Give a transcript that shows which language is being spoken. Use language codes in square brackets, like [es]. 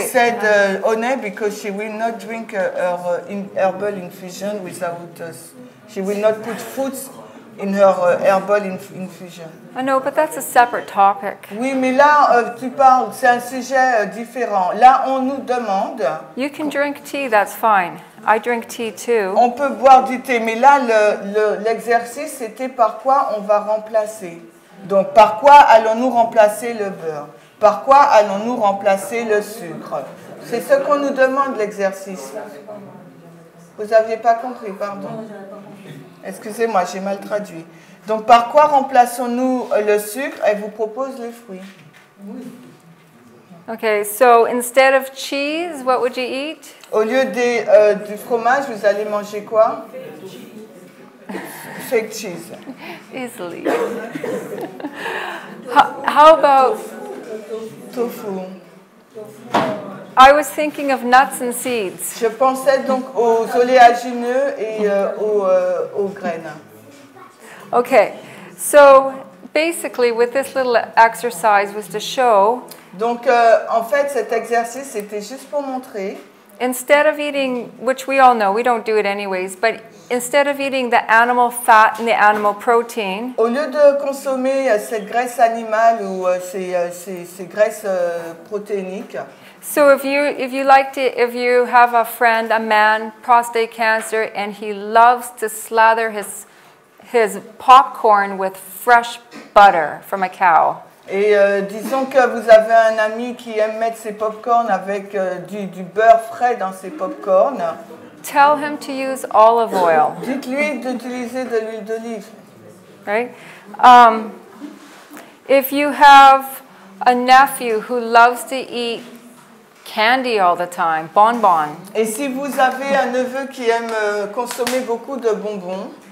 [en] She said Oné because she will not drink her herbal infusion without us. She will not put foods in her herbal infusion. I know, but that's a separate topic. [fr] Oui, mais là, tu parles, c'est un sujet différent. Là, on nous demande... [en] You can drink tea, that's fine. I drink tea too. [fr] On peut boire du thé, mais là, l'exercice, c'était par quoi on va remplacer. Donc, par quoi allons-nous remplacer le beurre? Par quoi allons-nous remplacer le sucre? C'est ce qu'on nous demande, l'exercice. Vous n'aviez pas compris, pardon. Excusez-moi, j'ai mal traduit. Donc, par quoi remplaçons-nous le sucre? Elle vous propose les fruits. [en] OK, so instead of cheese, what would you eat? [fr] Au lieu des, du fromage, vous allez manger quoi? [en] Fake cheese. Easily. How about... Tofu. I was thinking of nuts and seeds. [fr] Je pensais donc aux oléagineux et aux graines. [en] Okay. So basically with this little exercise was to show. [fr] Donc en fait cet exercice c'était juste pour montrer. [en] Instead of eating, which we all know, we don't do it anyways, but instead of eating the animal fat and the animal protein, [fr] au lieu de consommer cette graisse animale ou ces graisses protéiniques, [en] so if you have a friend, a man, prostate cancer, and he loves to slather his popcorn with fresh butter from a cow. [fr] Et disons que vous avez un ami qui aime mettre ses popcorns avec du beurre frais dans ses popcorns. [en] Tell him to use olive oil. [fr] Dites-lui d'utiliser de l'huile d'olive. [en] Right? If you have a nephew who loves to eat candy all the time, bonbon. [fr] Et si vous avez un neveu qui aime consommer beaucoup de bonbons.